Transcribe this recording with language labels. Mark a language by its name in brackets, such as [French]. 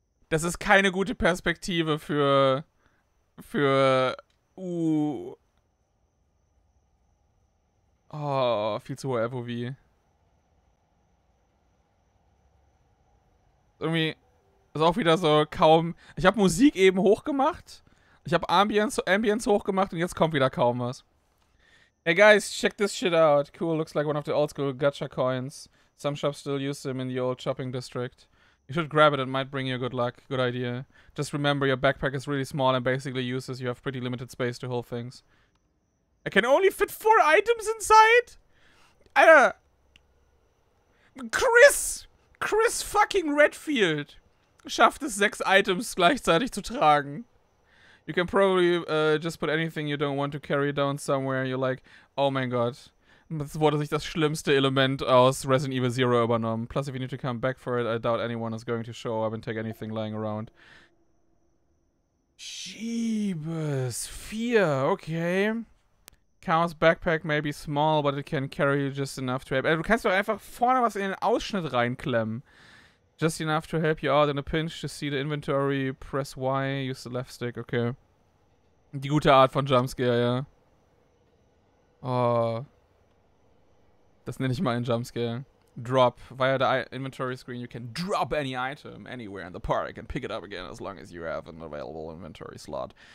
[German] Das ist keine gute Perspektive für Oh, viel zu hohe FOV. Irgendwie ist auch wieder so kaum... Ich habe Musik eben hochgemacht. Ich habe Ambience hochgemacht und jetzt kommt wieder kaum was. [English] Hey guys, check this shit out. Cool, looks like one of the old school gacha coins. Some shops still use them in the old shopping district. You should grab it, it might bring you good luck. Good idea. Just remember, your backpack is really small and basically useless. You have pretty limited space to hold things. I can only fit 4 items inside? [German] Chris fucking Redfield schafft es, 6 Items gleichzeitig zu tragen. [English] You can probably just put anything you don't want to carry down somewhere. You're like, oh my god. [German] Es wurde sich das schlimmste Element aus Resident Evil Zero übernommen. [English] Plus, if you need to come back for it, I doubt anyone is going to show up and take anything lying around. Jeebus. 4, okay. Chaos Backpack may be small, but it can carry just enough to help. [German] Du kannst doch einfach vorne was in den Ausschnitt reinklemmen. [English] Just enough to help you out in a pinch to see the inventory. Press Y, use the left stick, okay. [German] Die gute Art von Jumpscare, ja. [English] Oh. [German] Das nenne ich mal einen Jumpscare. Drop. [English] Via the inventory screen, you can drop any item anywhere in the park and pick it up again as long as you have an available inventory slot.